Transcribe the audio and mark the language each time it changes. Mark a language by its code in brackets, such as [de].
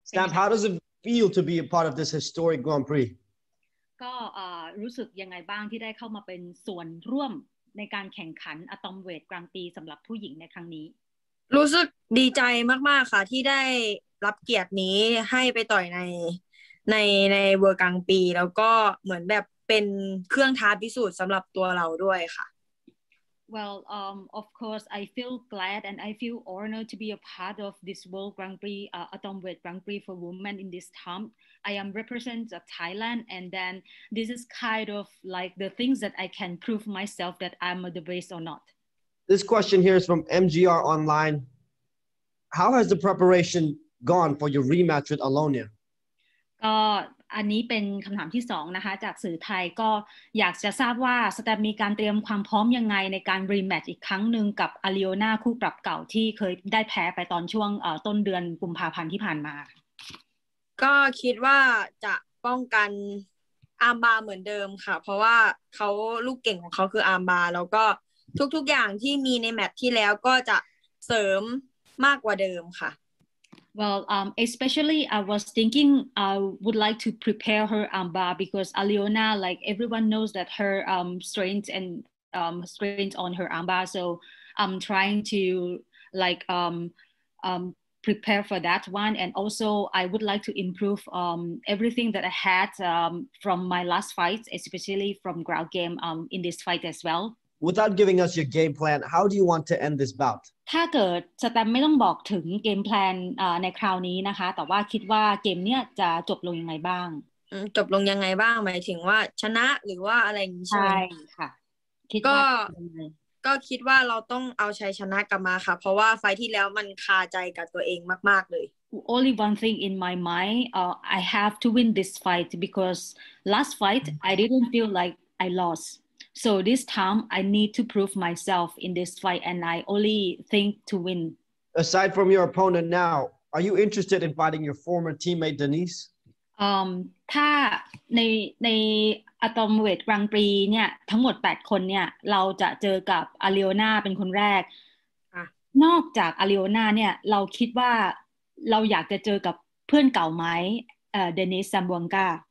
[en] Stamp, how does it feel to be a part of this historic Grand Prix? [th] ก็รู้สึกยังไงบ้างที่ได้เข้ามาเป็นส่วนร่วมในการแข่งขันอะตอมเวทกลางปีสำหรับผู้หญิงในครั้งนี้รู้สึกดีใจมากๆค่ะที่ได้รับเกียรตินี้ให้ไปต่อยในเวอร์กลางปีแล้วก็เหมือนแบบเป็นเครื่องท้าพิสูจน์สำหรับตัวเราด้วยค่ะ [en] Well of course I feel glad and I feel honored to be a part of this World Grand Prix Atomweight Grand Prix for women in this time I am represent of Thailand and then this is kind of like the things that I can prove myself that I'm the best or not This question here is from MGR online How has the preparation gone for your rematch with Alyona? [th] ก็อันนี้เป็นคำถามที่สองนะคะจากสื่อไทยก็อยากจะทราบว่าสแตมมีการเตรียมความพร้อมยังไงในการรีแมตช์อีกครั้งหนึ่งกับอาลิโอน่าคู่ปรับเก่าที่เคยได้แพ้ไปตอนช่วงต้นเดือนกุมภาพันธ์ที่ผ่านมา ก็คิดว่าจะป้องกันอาร์มบาร์เหมือนเดิมค่ะเพราะว่าเขาลูกเก่งของเขาคืออาร์มบาร์แล้วก็ทุกๆอย่างที่มีในแมตช์ที่แล้วก็จะเสริมมากกว่าเดิมค่ะ [en] Well, especially I was thinking I would like to prepare her armbar because Alyona, like everyone knows that her strength on her armbar. So I'm trying to like prepare for that one. And also I would like to improve everything that I had from my last fight, especially from ground game in this fight as well. Without giving us your game plan, how do you want to end this bout? [th] ถ้าเกิดสแตมไม่ต้องบอกถึงเกมแพลนในคราวนี้นะคะแต่ว่าคิดว่าเกมเนี้ยจะจบลงยังไงบ้าง จบลงยังไงบ้างหมายถึงว่าชนะหรือว่าอะไรอย่างงี้ใช่ไหมค่ะ ก็คิดว่าเราต้องเอาชัยชนะกลับมาค่ะเพราะว่าไฟที่แล้วมันคาใจกับตัวเองมากๆเลย [en] Only one thing in my mind, I have to win this fight because last fight I didn't feel like I lostSo this time, I need to prove myself in this fight, and I only think to win. Aside from your opponent now, are you interested in fighting your former teammate, Denise? [th] ถ้าในอะตอมเวทกลางปีเนี่ยทั้งหมด8คนเนี่ยเราจะเจอกับอาลิโอน่าเป็นคนแรกนอกจากอาลิโอน่าเนี่ยเราคิดว่าเราอยากจะเจอกับเพื่อนเก่าไหมเดนิสซัมบวงกา